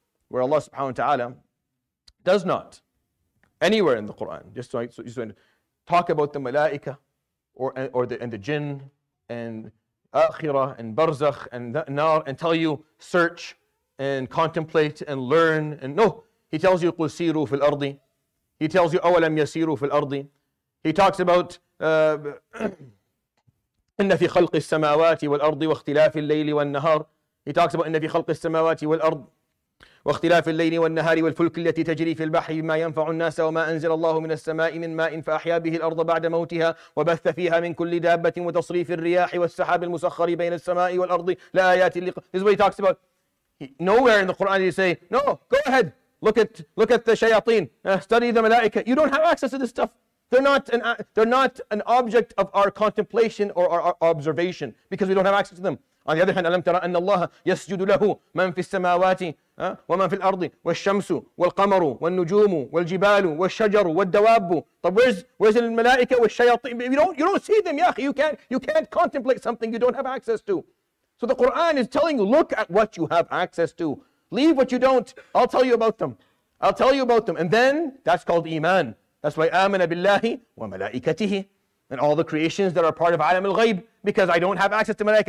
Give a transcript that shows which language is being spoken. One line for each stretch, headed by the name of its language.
English: Where Allah subhanahu wa ta'ala does not, anywhere in the Quran, just so talk about the malaika and the jinn and akhirah and barzakh and nar, and tell you search and contemplate and learn. And no, he tells you
Arabic: qul siru fil ardi.
English: He tells you
Arabic: awalam yasiru fil ardi.
English: He talks about
Arabic: إن في خلق السماوات والأرض واختلاف الليل والنهار.
English: He talks about
Arabic: إن في خلق السماوات والأرض واختلاف الليل والنهار والفلك التي تجري في البحر بما ينفع الناس وما أنزل الله من السماء من ماء فأحيا به الأرض بعد موتها وبث فيها من كل دابة وتصريف الرياح والسحاب المسخر بين السماء والأرض لآيات لقوم.
English: This is what he talks about. Nowhere in the Quran does he say, no, go ahead, look at the shayateen, study the malaika. You don't have access to this stuff. They're not an object of our contemplation or our observation, because we don't have access to them. On the other hand,
Arabic: أَلَمْ تَرَى أَنَّ اللَّهَ يَسْجُدُ لَهُ مَنْ فِي السَّمَاوَاتِ وَمَنْ فِي الْأَرْضِ وَالشَّمْسُ وَالْقَمَرُ وَالنُّجُومُ وَالْجِبَالُ وَالشَّجَرُ وَالدَّوَابُ. طب
English: where's
Arabic: الْمَلَائِكَ وَالشَّيَاطِينَ.
English: You don't see them, ياخي. You can't contemplate something you don't have access to. So the Quran is telling you, look at what you have access to. Leave what you don't. I'll tell you about them. And then that's called Iman. That's why
Arabic: آمن بالله وملائكته
English: and all the creations that are part of
Arabic: عالم الغيب,
English: because I don't have access to ملائكة.